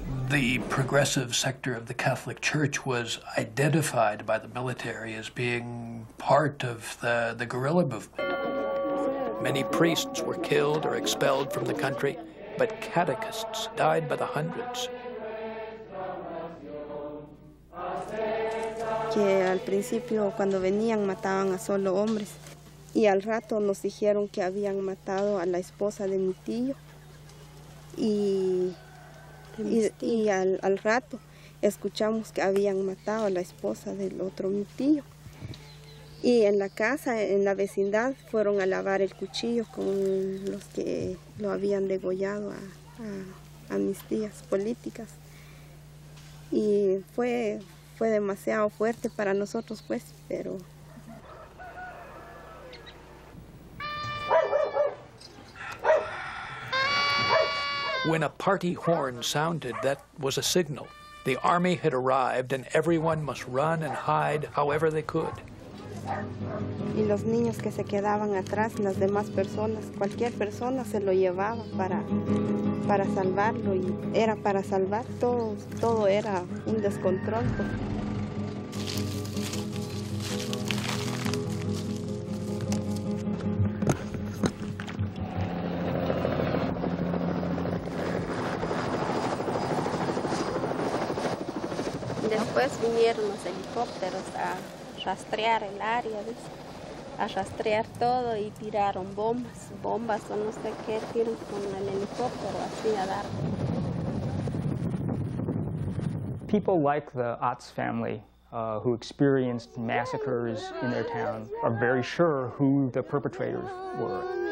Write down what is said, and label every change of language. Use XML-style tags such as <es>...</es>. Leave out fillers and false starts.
<en>The progressive sector of the Catholic Church was identified by the military as being part of the guerrilla movement. Many priests were killed or expelled from the country, but catechists died by the hundreds.</en> <es>Que al principio cuando venían mataban a solo hombres y al rato nos dijeron que habían matado a la esposa de mi tío y al rato escuchamos que habían matado a la esposa del otro mi tío y en la casa en la vecindad fueron a lavar el cuchillo con los que lo habían degollado a mis tías políticas y fue demasiado fuerte para nosotros pues pero</es> <en>when a party horn sounded, that was a signal. The army had arrived and everyone must run and hide however they could.</en> <es>Y los niños que se quedaban atrás, las demás personas, cualquier persona se lo llevaba para salvarlo y era para salvar todo era un descontrol. Después vinieron los helicópteros a rastrear el área, ¿ves? A rastrear todo y tiraron bombas o no sé qué, tiraron con el helicóptero así a dar.</es> <en>People like the Otts family, who experienced massacres in their town, are very sure who the perpetrators were.</en>